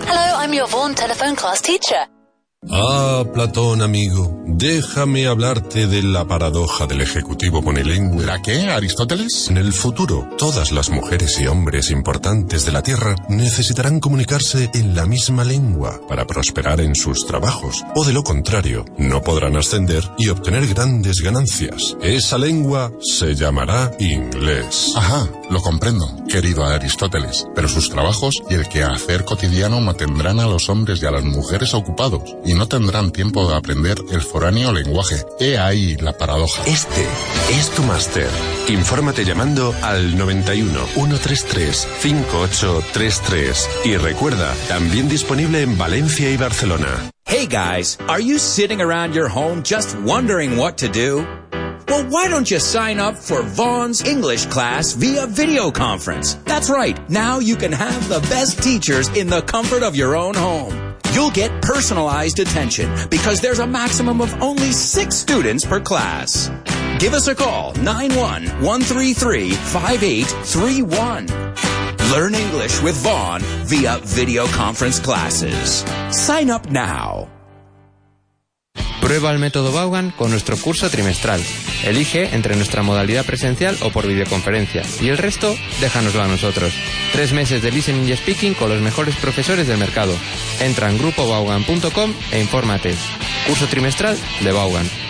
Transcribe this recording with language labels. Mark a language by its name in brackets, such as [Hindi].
[English] Hello, I'm your Vaughan telephone class teacher. [Spanish] Ah, Platón, amigo, déjame hablarte de la paradoja del ejecutivo con el lengua. ¿La qué, Aristóteles? En el futuro, todas las mujeres y hombres importantes de la Tierra necesitarán comunicarse en la misma lengua para prosperar en sus trabajos, o de lo contrario, no podrán ascender y obtener grandes ganancias. Esa lengua se llamará inglés. Ajá, lo comprendo, querido Aristóteles, pero sus trabajos y el quehacer cotidiano mantendrán a los hombres y a las mujeres ocupados. Y no tendrán tiempo de aprender el foráneo lenguaje. He ahí la paradoja. Este es tu máster. Infórmate llamando al 91-133-5833. Y recuerda, también disponible en Valencia y Barcelona. [English] Hey guys, are you sitting around your home just wondering what to do? Well, why don't you sign up for Vaughan's English class via video conference? That's right, now you can have the best teachers in the comfort of your own home. You'll get personalized attention because there's a maximum of only 6 students per class. Give us a call, 91-133-5831. Learn English with Vaughan via video conference classes. Sign up now. [Spanish] Prueba el método Baugan con nuestro curso trimestral. Elige entre nuestra modalidad presencial o por videoconferencia. Y el resto, déjanoslo a nosotros. 3 meses de listening y speaking con los mejores profesores del mercado. Entra en grupobaugan.com e infórmate. Curso trimestral de Baugan.